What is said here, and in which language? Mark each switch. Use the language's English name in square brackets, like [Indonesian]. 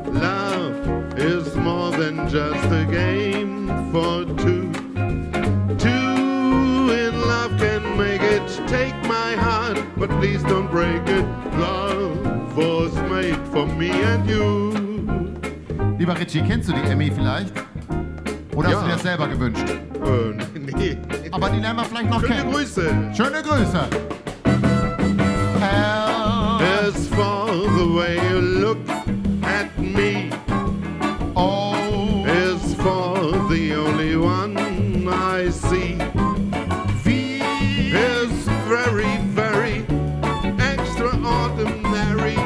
[English] Love is more than just a game for two. Two in love can make it. Take my heart, but please don't break it. Love was made for me and you. [German] Lieber Richie, kennst du die Emmy vielleicht? Oder hast du dir das selber gewünscht? Nee. Aber die lernen wir vielleicht noch kennen. Schöne Grüße. [English] L is for the way you look at me. O is for the only one I see. V is very, very extraordinary.